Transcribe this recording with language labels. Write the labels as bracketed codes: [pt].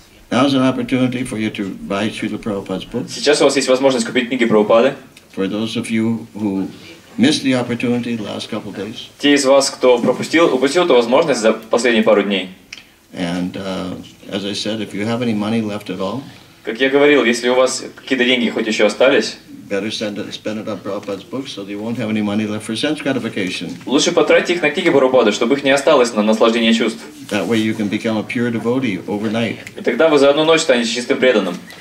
[en] Now's an opportunity for you to buy Srila Prabhupada's book. [ru] Сейчас у вас есть возможность купить книги Прабхупады. [en] For those of you who missed the opportunity the last couple days. [ru] Те из вас, кто упустил эту возможность за последние пару дней. [en] And as I said, if you have any money left at all. [ru] Как я говорил, если у вас какие-то деньги хоть еще остались. [en] Better spend it on Prabhupada's book, so you won't have any money left for sense gratification. [ru] Лучше потратить их на книги Прабхупады, чтобы их не осталось на наслаждение чувств. [en] That way you can become a pure devotee overnight. [ru] И тогда вы за одну ночь станете чистым преданным.